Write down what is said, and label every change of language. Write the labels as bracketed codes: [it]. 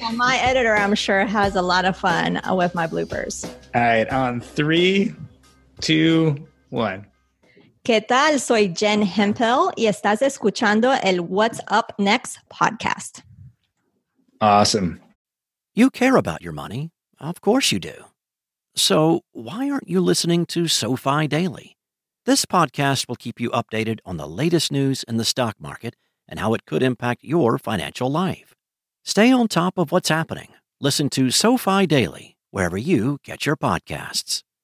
[en] Well, my editor, I'm sure, has a lot of fun with my bloopers. All right. On three, two, one. [es] ¿Qué tal? Soy Jen Hempel y estás escuchando el What's Up Next podcast. [en] Awesome. You care about your money. Of course you do. So why aren't you listening to SoFi Daily? This podcast will keep you updated on the latest news in the stock market and how it could impact your financial life. Stay on top of what's happening. Listen to SoFi Daily, wherever you get your podcasts.